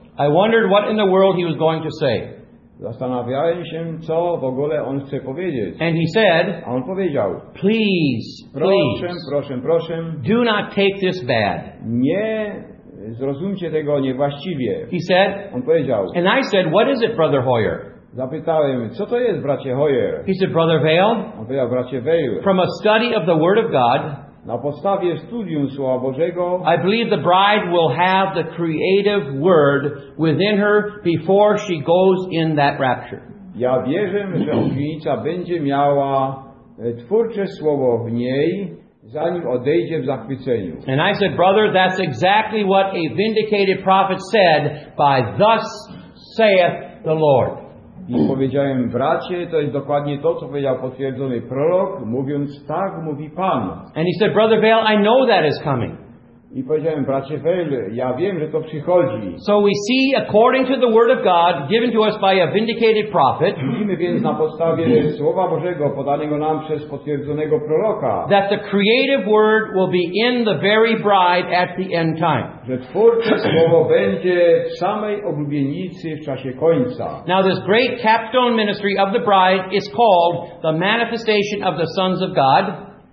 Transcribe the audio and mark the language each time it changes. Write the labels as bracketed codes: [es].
[en] I wondered what in the world he was going to say. [pl] Zastanawiałem się, co w ogóle on chce powiedzieć. [en] And he said, [pl] a on powiedział, [en] please, [pl] proszę, proszę, proszę, [en] do not take this bad. [pl] Nie zrozumcie tego niewłaściwie. [en] He said, [pl] on powiedział, [en] and I said, what is it, Brother Hoyer? [pl] Zapytałem, co to jest, bracie Hoyer? [en] He said, Brother Vale, [pl] on powiedział, bracie Vale, [en] from a study of the Word of God, [pl] na podstawie studium Słowa Bożego, [en] I believe the bride will have the creative word within her before she goes in that rapture. [pl] Ja wierzę, że oblubienica będzie miała twórcze słowo w niej, zanim odejdzie w zachwyceniu. [en] And I said, brother, that's exactly what a vindicated prophet said by thus saith the Lord. [pl] I powiedziałem, bracie, to jest dokładnie to, co powiedział potwierdzony prorok, mówiąc, tak mówi Pan. [en] And he said, Brother Vale, I know that is coming. [pl] I powiedziałem, bracie Vale, ja wiem, że to przychodzi. [en] So we see, according to the word of God, given to us by a vindicated prophet, [pl] widzimy więc na podstawie Słowa Bożego, podanego nam przez potwierdzonego proroka, [en] that the creative word will be in the very bride at the end time. [pl] Że twórcze słowo będzie w samej oblubienicy w czasie końca. [en] Now this great capstone ministry of the bride is called the manifestation of the sons of God.